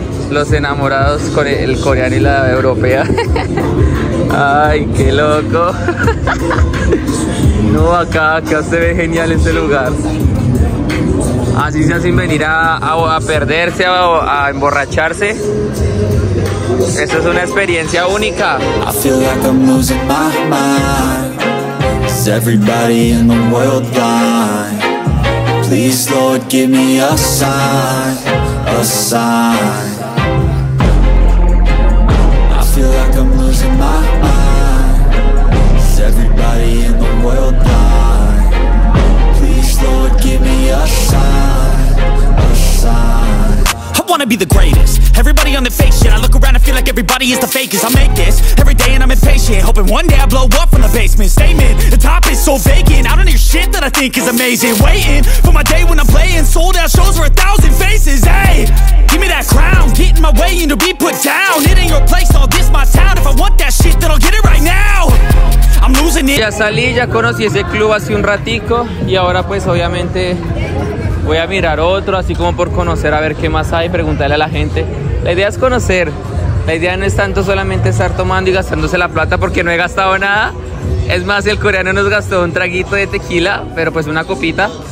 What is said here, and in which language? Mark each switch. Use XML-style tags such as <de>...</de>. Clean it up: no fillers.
<es>Los enamorados con el coreano y la europea. Ay, qué loco. No, acá se ve genial este lugar. Así sea sin venir a perderse a emborracharse. Esto es una experiencia única.</es> <en>I feel like I'm losing my mind. Is everybody in the world blind? Please Lord give me a sign. A sign. I feel like I'm losing my mind. Is everybody in the world blind? Please Lord give me a sign. A sign. I wanna be the greatest. Everybody on the fake shit. I look around and feel like everybody is the fakest. I make this every day and I'm impatient. Hoping hoping one day I blow up from the basement. Statement, the top is so vacant. I don't hear shit that I think is amazing. Waiting for my day when I'm playing sold out shows for 1,000 faces. Hey, give me that crown. Get in my way and you'll be put down. It ain't your place, all this my town. If I want that shit, then I'll get it right now. I'm losing it.</en> <es>Ya salí, ya conocí ese club hace un ratico. Y ahora pues obviamente voy a mirar otro, así como por conocer, a ver qué más hay, preguntarle a la gente. La idea es conocer. La idea no es tanto solamente estar tomando y gastándose la plata porque no he gastado nada. Es más, el coreano nos gastó un traguito de tequila, pero pues una copita.</es>